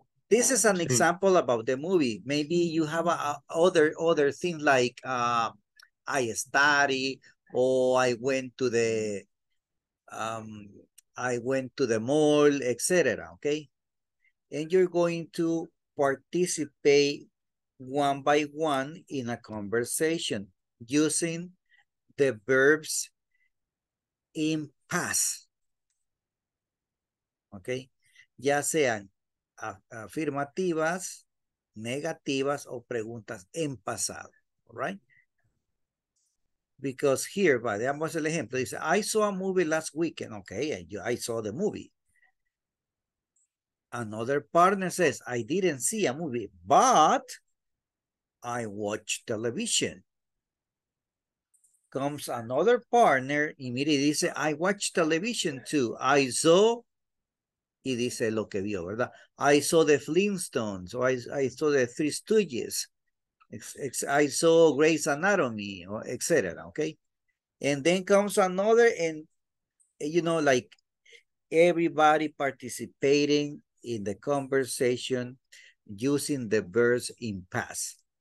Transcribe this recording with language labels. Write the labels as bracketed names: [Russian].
[English] This is an example about the movie. Maybe you have other things like I study, or I went to the mall, etc. Okay, and you're going to participate one by one in a conversation using the verbs in past. [Spanish] Okay, ya sean afirmativas, negativas, o preguntas en pasado. [English] All right. Because here, by the way, [Spanish] el ejemplo dice, [English] I saw a movie last weekend. Okay, I saw the movie. Another partner says, I didn't see a movie, but I watched television. Comes another partner, immediately [Spanish] dice, [English] I watched television too. I saw, [Spanish] y dice lo que vio, ¿verdad? [English] I saw the Flintstones, or I saw the Three Stooges. I saw Grey's Anatomy, etc. Okay, and then comes another, and you know, like everybody participating in the conversation using the verbs in past.